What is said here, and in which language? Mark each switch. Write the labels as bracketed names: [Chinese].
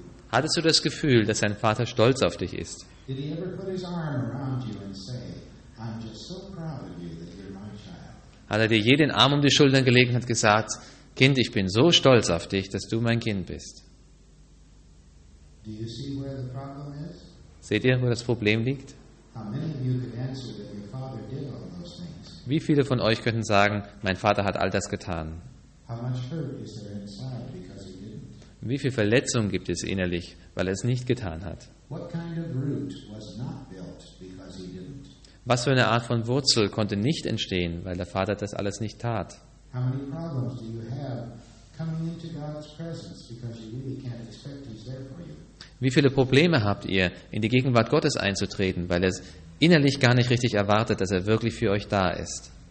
[German] Hattest du das Gefühl, dass dein Vater stolz auf dich ist? Hat er dir je den Arm um die Schultern gelegt und hat gesagt, Kind, ich bin so stolz auf dich, dass du mein Kind bist? [English] Do you see where the problem is? [German] Seht ihr, wo das Problem liegt? [English] How many of you could answer that your father did all those things? [German] Wie viele von euch könnten sagen, mein Vater hat all das getan? [English] How much hurt is there inside because he didn't? [German] Wie viel Verletzung gibt es innerlich, weil er es nicht getan hat? [English] What kind of root was not built because he didn't? [German] Was für eine Art von Wurzel konnte nicht entstehen, weil der Vater das alles nicht tat? [English] How many problems do you have coming into God's presence because you really can't expect he's there for you? [German] Wie viele Probleme habt ihr, in die Gegenwart Gottes einzutreten, weil er es innerlich gar nicht richtig erwartet, dass er wirklich für euch da ist?